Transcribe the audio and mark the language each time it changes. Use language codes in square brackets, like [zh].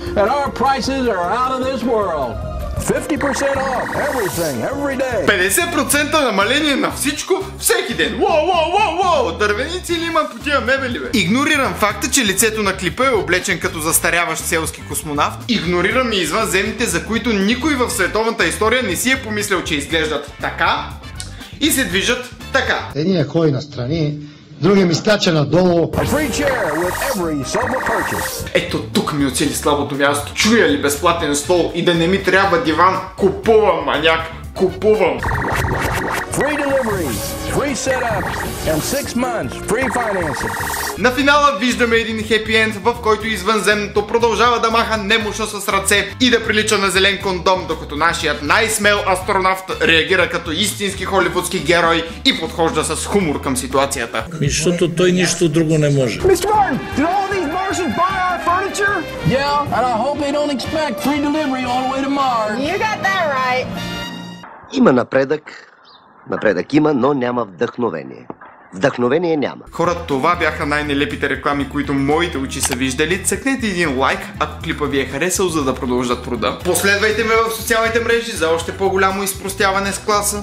[en] And our prices are out of this world. 50% off everything, every day. [bg] 50% намаление на всичко, всеки ден. Воу, воу, воу, воу! Дървеници ли имам по тия мебели, бе? Игнорирам факта, че лицето на клипа е облечен като застаряващ селски космонавт. Игнорирам и извънземните, за които никой в световната история не си е помислял, че изглеждат така и се движат така. Едния ходи на страни, другия ми стача надолу. [en] A free chair with every sofa purchase. [bg] Ето тук ми оцели слабото място. Чуя ли безплатен стол и да не ми трябва диван? Купувам, маняк! Купувам! [en] Free delivery, free setup and 6 months free financing. [bg] На финала виждаме един хепи енд, в който извънземното продължава да маха немощно с ръце и да прилича на зелен кондом, докато нашият най-смел астронавт реагира като истински холивудски герой и подхожда с хумор към ситуацията. Защото той нищо друго не може. [en] Mr. Martin, did all these Martians buy our furniture? Yeah, and I hope they don't expect free delivery all the way to Mars. You got that right. [bg] Има напредък. Напредък има, но няма вдъхновение. Вдъхновение няма. Хора, това бяха най-нелепите реклами, които моите очи са виждали. Цъкнете един лайк, ако клипа ви е харесал, за да продължат труда. Последвайте ме в социалните мрежи за още по-голямо изпростяване с класа.